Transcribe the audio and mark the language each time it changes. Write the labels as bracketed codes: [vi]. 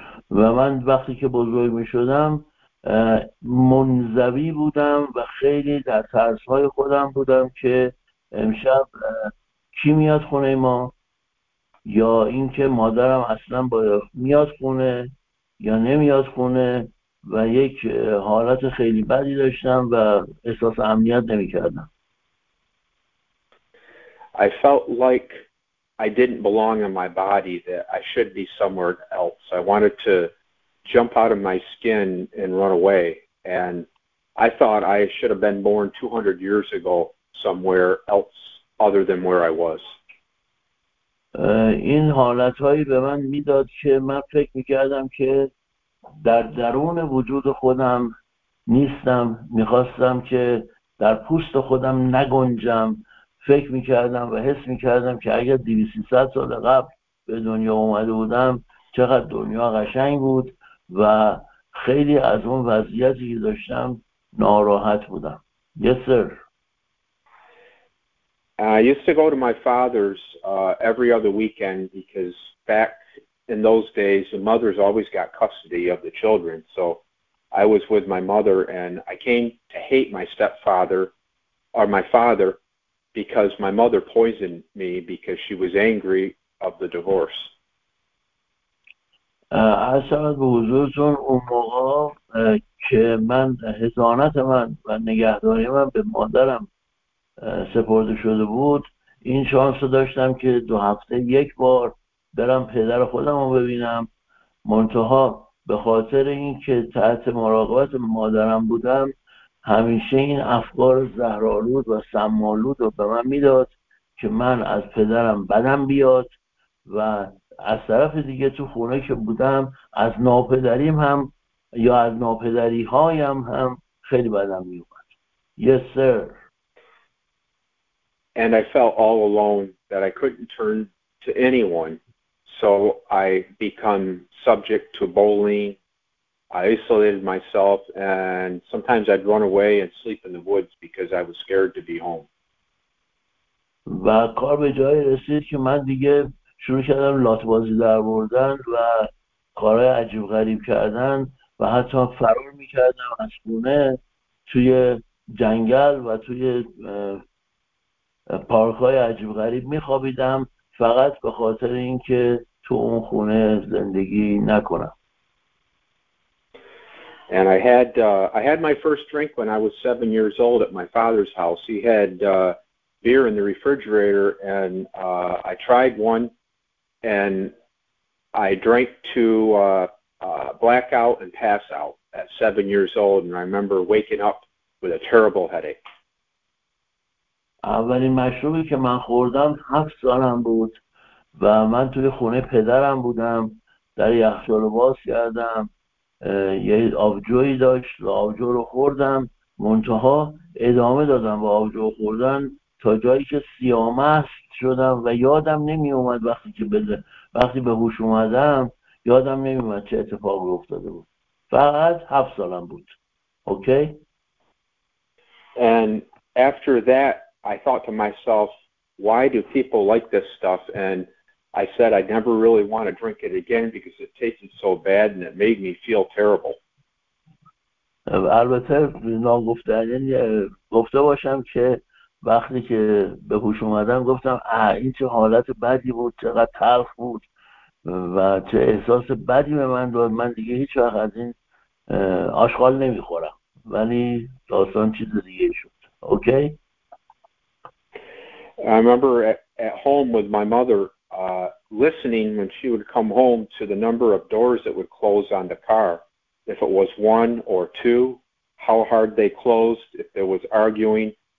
[fa] و من وقتی که بزرگ می شدم منزوی بودم و خیلی در ترس های خودم بودم که امشب کی میاد خونه ما، یا اینکه مادرم اصلا میاد خونه یا نمیاد خونه، و یک حالت خیلی بدی داشتم و احساس امنیت نمی کردم. [en] I felt like I didn't belong in my body, that I should be somewhere else. I wanted to jump out of my skin and run away. And I thought I should have been born 200 years ago somewhere else other than where I was. [fa] این حالتهایی به من میداد که من فکر میکردم که در درون وجود خودم نیستم، میخواستم که در پوست خودم نگنجم. فکر میکردم و حس میکردم که اگر 200-300 سال قبل به دنیا اومده بودم چقدر دنیا قشنگ بود و خیلی از اون وضعیتی که داشتم ناراحت بودم. [en] Yes, sir. I used to go to my father's every other weekend because back in those days the mothers always got custody of the children. So I was with my mother and I came to hate my stepfather or my father because my mother poisoned me because she was angry of the divorce. [fa] اصلا به حضورتون اون موقع که من حضانت من و نگهداری من به مادرم سپرده شده بود، این شانس رو داشتم که دو هفته یک بار برم پدر خودم رو ببینم، منتها به خاطر این که تحت مراقبت مادرم بودم همیشه این افکار زهرآلود و سمالود رو به من میداد که من از پدرم بدم بیاد، و از طرف دیگه تو خونه که بودم از ناپدریم هم یا از ناپدری هایم هم خیلی بدم می اومد. [en] Yes, sir. And I felt all alone that I couldn't turn to anyone. So I become subject to bullying. I isolated myself and sometimes I'd run away and sleep in the woods because I was scared to be home. [fa] و کار به جایی رسید که من دیگه شروع کردم لاتبازی در بردن و کارهای عجیب غریب کردن و حتی فرار میکردم از خونه توی جنگل و توی پارکهای عجیب غریب میخوابیدم فقط به خاطر اینکه تو اون خونه زندگی نکنم. [en] And I had my first drink when I was 7 years old at my father's house. He had beer in the refrigerator, and I tried one, and I drank to blackout and pass out at 7 years old, and I remember waking up with a terrible headache. [fa] اولین مشروبی که من خوردم 7 سالم بود و من توی خونه پدرم بودم، در یخچال باز کردم، یه آبجویی داشت و آبجو رو خوردم، منتها ادامه دادم و آبجو خوردن تا جایی که سیامست شدم و یادم نمی اومد وقتی که وقتی به هوش اومدم یادم نمی اومد چه اتفاقی افتاده بود. فقط 7 سالم بود. اوکی؟ [en] And after that I thought to myself, why do people like this stuff? And I said I'd never really want to drink it again because it tasted so bad and it made me feel terrible. [fa] البته ناگفتنی گفته باشم که وقتی که به هوش اومدم گفتم این چه حالت بدی بود، چقدر تلخ بود و چه احساس بدی به من داد، من دیگه هیچ وقت از این آشغال نمیخورم. ولی داستان چیز دیگه شد. اوکی؟ [en] I remember at home with my mother listening when she would come home to the number of doors that would close on the car, if it was one or two, how hard they closed, if there was arguing.